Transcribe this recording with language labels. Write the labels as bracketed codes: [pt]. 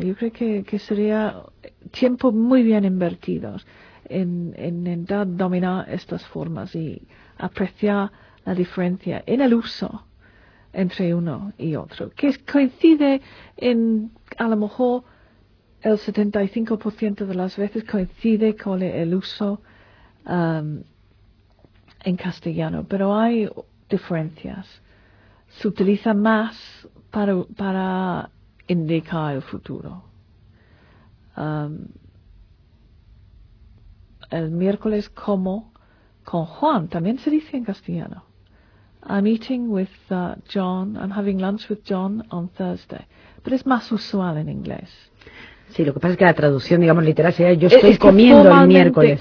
[es] Yo creo que sería tiempo muy bien invertido en dominar estas formas y apreciar la diferencia en el uso entre uno y otro, que coincide en, a lo mejor, el 75% de las veces coincide con el uso en castellano, pero hay diferencias. Se utiliza más para indicar el futuro. El miércoles como con Juan, también se dice en castellano. [en] I'm eating with John, I'm having lunch with John on Thursday. [es] Pero es más usual en inglés. Sí, lo que pasa es que la traducción, digamos, literal sería yo estoy comiendo el miércoles.